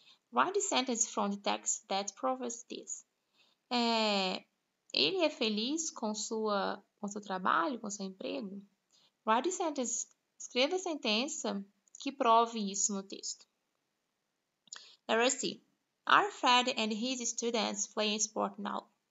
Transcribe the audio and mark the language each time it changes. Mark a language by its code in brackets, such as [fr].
[en] Write the sentence from the text that proves this. [pt] Ele é feliz com seu trabalho, com seu emprego? [en] Write the sentence. [pt] Escreva a sentença que prove isso no texto. [en] Letter C. Are Fred and his students playing sport now?